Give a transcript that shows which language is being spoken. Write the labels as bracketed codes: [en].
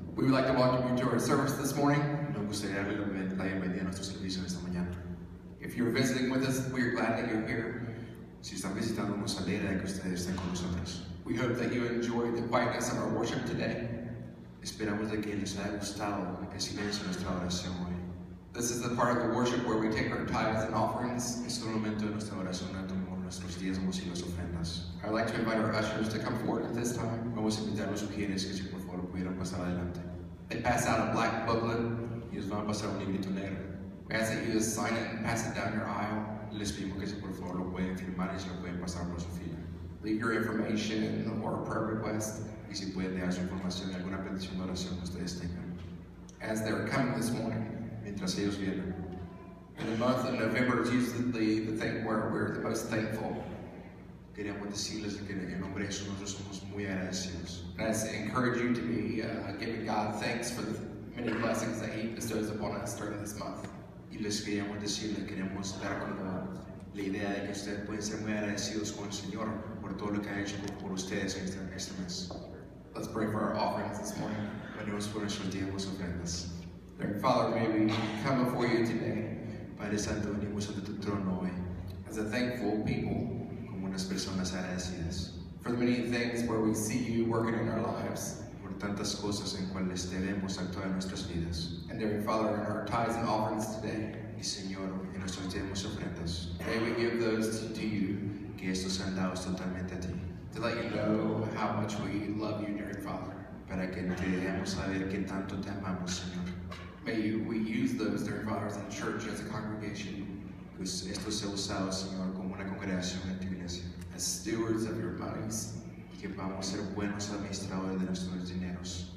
[en] We would like to welcome you to our service this morning. [es] Nos gustaría darle la bienvenida a nuestro servicio esta mañana. [en] If you're visiting with us, we are glad that you're here. [es] Si están visitando, nos alegra que ustedes estén con nosotros. [en] We hope that you enjoy the quietness of our worship today. [es] Esperamos de que les haya gustado el silencio de nuestra oración hoy. [en] This is the part of the worship where we take our tithes and offerings. [es] Es un momento de nuestra oración donde tomamos nuestros diezmos y las ofrendas. [en] I'd like to invite our ushers to come forward at this time. [es] Vamos a invitar a los ujieres que, por favor, pudieran pasar adelante. [en] They pass out a black booklet. [es] Y ellos van a pasar un librito negro. [en] We ask that you just sign it and pass it down your aisle. [es] Les pedimos que, por favor, lo pueden firmar y se lo pueden pasar por su fila. [en] Leave your information or a prayer request. [es] Y si pueden dejar su información y alguna petición de oración que ustedes tengan. [en] As they're coming this morning. [es] Mientras ellos vienen. [en] In the month of November is usually the thing where we're the most thankful. [es] Queremos decirles que en nombre de eso nosotros somos muy agradecidos. [en] And I encourage you to be giving God thanks for the many blessings that He bestows upon us during this month. [es] Y les queríamos decir, les queremos dar la idea de que ustedes pueden ser muy agradecidos con el Señor por todo lo que ha hecho por ustedes en este mes. [en] Let's pray for our offerings this morning. [es] Venimos por nuestros diezmos y ofrendas. [en] Dear Father, may we come before you today. [es] Padre Santo, venimos ante tu trono hoy. [en] As a thankful people. [es] Unas personas agradecidas. [en] For the many things where we see you working in our lives. [es] Por tantas cosas en cuales te vemos actuar en nuestras vidas. [en] And dear Father, in our tithes and offerings today. [es] Y Señor, en nuestros diezmos y ofrendas. [en] May we give those to you. [es] Que estos sean dados totalmente a ti. [en] To let you know how much we love you, dear Father. [es] Para que te dejemos saber que tanto te amamos, Señor. [en] May we use those, dear Father, in church as a congregation. [es] Pues estos sean usados, Señor, como una congregación en ti. [en] As stewards of your bodies, [es] y que vamos a ser buenos administradores de nuestros dineros,